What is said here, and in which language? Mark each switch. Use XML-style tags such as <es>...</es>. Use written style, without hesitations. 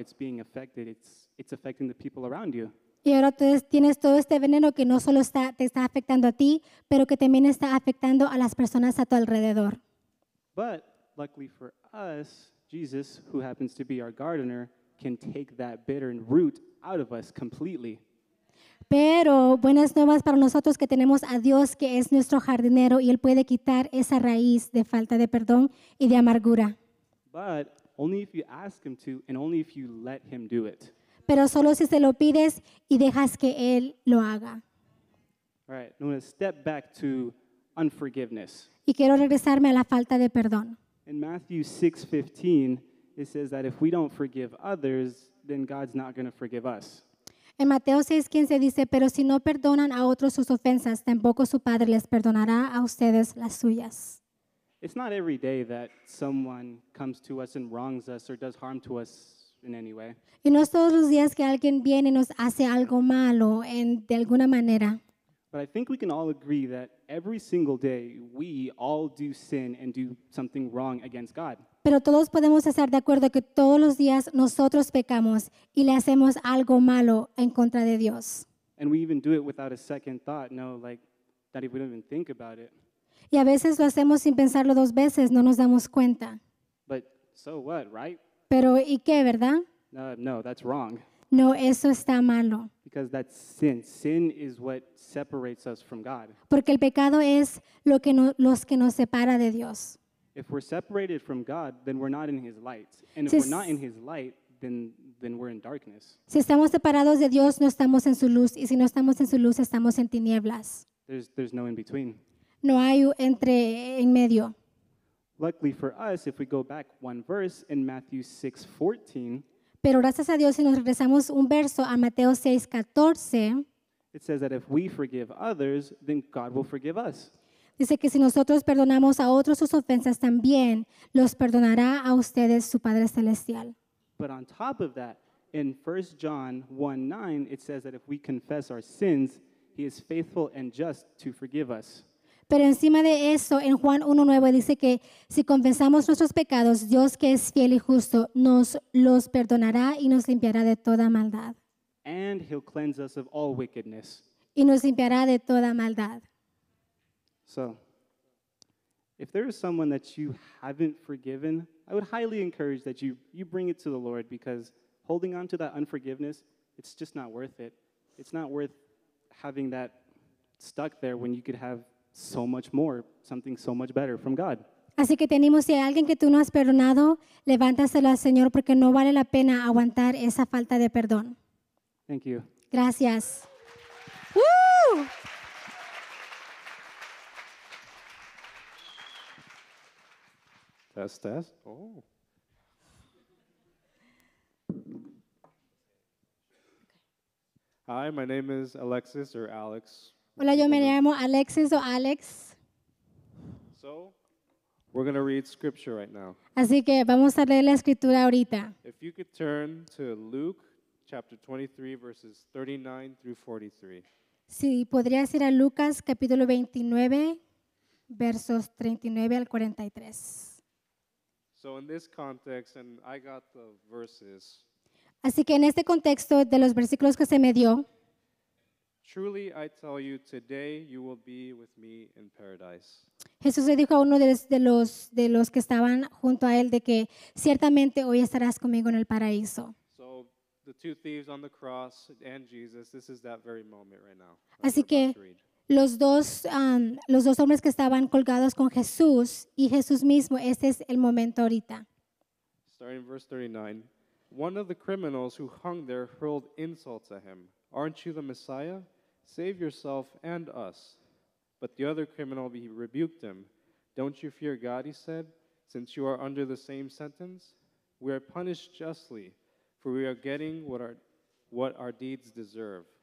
<en>It's being affected. It's affecting the people around you.</en> <es>Y ahora tienes todo este veneno que no solo te está afectando a ti, pero que también está afectando a las personas a tu alrededor.</es> <en>But luckily for us, Jesus, who happens to be our gardener, can take that bitter root out of us completely.</en> <es>Pero buenas nuevas para nosotros que tenemos a Dios que es nuestro jardinero y Él puede quitar esa raíz de falta de perdón y de amargura.</es> <en>But only if you ask Him to and only if you let Him do it.</en> <es>Pero solo si se lo pides y dejas que Él lo haga.</es> <en>All right, I'm going to step back to unforgiveness.</en> <es>Y quiero regresarme a la falta de perdón.</es> <en>In Matthew 6:15, it says that if we don't forgive others, then God's not going to forgive us.</en> <es>En Mateo 6:15 dice, pero si no perdonan a otros sus ofensas, tampoco su Padre les perdonará a ustedes las suyas.</es> <en>It's not every day that someone comes to us and wrongs us or does harm to us in any way.</en> <es>Y no es todos los días que alguien viene y nos hace algo malo en de alguna manera.</es> <en>But I think we can all agree that every single day we all do sin and do something wrong against God.</en> <es>Pero todos podemos estar de acuerdo que todos los días nosotros pecamos y le hacemos algo malo en contra de Dios.</es> <en>And we even do it without a second thought, no, like that if we don't even think about it.</en> <es>Y a veces lo hacemos sin pensarlo dos veces, no nos damos cuenta.</es> <en>But so what, right?</en> <es>Pero ¿y qué, verdad?</es> <en>No, that's wrong.</en> <es>No, eso está malo.</es> <en>Because that's sin. Sin is what separates us from God.</en> <es>Porque el pecado es lo que no, los que nos separa de Dios.</es> <en>If we're separated from God, then we're not in His light. And si if we're not in His light, then we're in darkness.</en> <es>Si estamos separados de Dios, no estamos en su luz. Y si no estamos en su luz, estamos en tinieblas.</es> <en>There's no in between.</en> <es>No hay entre en medio.</es> <en>Luckily for us, if we go back one verse in Matthew 6:14.</en> <es>Pero gracias a Dios, si nos regresamos un verso a Mateo 6:14.</es> <en>It says that if we forgive others, then God will forgive us.</en> <es>Dice que si nosotros perdonamos a otros sus ofensas también, los perdonará a ustedes su Padre Celestial.</es> <en>But on top of that, in 1 John 1:9, it says that if we confess our sins, He is faithful and just to forgive us.</en> <es>Pero encima de eso, en Juan 1:9 dice que si confesamos nuestros pecados, Dios que es fiel y justo, nos los perdonará y nos limpiará de toda maldad.</es> <en>And He'll cleanse us of all wickedness.</en> <es>Y nos limpiará de toda maldad.</es> <en>So, if there is someone that you haven't forgiven, I would highly encourage that you bring it to the Lord because holding on to that unforgiveness, it's just not worth it. It's not worth having that stuck there when you could have so much more, something so much better from God.</en> <es>Así que te animo, si hay alguien que tú no has perdonado, levántaselo al Señor porque no vale la pena aguantar esa falta de perdón.</es> <en>Thank you.</en> <es>Gracias.</es> <en>Test. Oh. Hi, my name is Alexis or Alex.</en> <es>Hola, yo me llamo Alexis o Alex.</es> <en>So, we're going to read scripture right now.</en> <es>Así que vamos a leer la escritura ahorita.</es> <en>If you could turn to Luke chapter 23 verses 39 through 43.</en> <es>Sí, podrías ir a Lucas capítulo 29 versos 39 al 43.</es> <en>So in this context, and I got the verses.</en> <es>Así que en este contexto de los versículos que se me dio.</es> <en>Truly I tell you, today you will be with me in paradise.</en> <es>Jesús le dijo a uno de los que estaban junto a él de que ciertamente hoy estarás conmigo en el paraíso.</es> <en>So the two thieves on the cross and Jesus, this is that very moment right now.</en> <es>Así que los dos hombres que estaban colgados con Jesús y Jesús mismo, este es el momento ahorita.</es> <en>Starting in verse 39. One of the criminals who hung there hurled insults at him. Aren't you the Messiah? Save yourself and us. But the other criminal rebuked him. Don't you fear God, he said, since you are under the same sentence? We are punished justly, for we are getting what our deeds deserve.</en>